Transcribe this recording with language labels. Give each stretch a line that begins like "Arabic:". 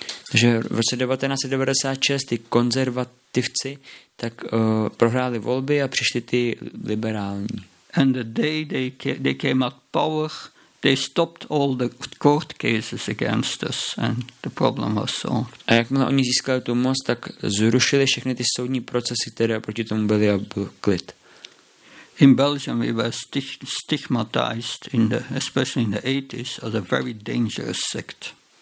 Czech: Takže v roce 1996 ty konzervativci tak prohráli volby a přišli ty liberální.
English: And the day they came at power, they stopped all the court cases against us and the problem was solved.
Czech: A jakmile oni získali tu moc, tak zrušili všechny ty soudní procesy, které proti tomu byly, a byl klid.
English: In Belgium we were stigmatized especially in the 80s as a very dangerous sect.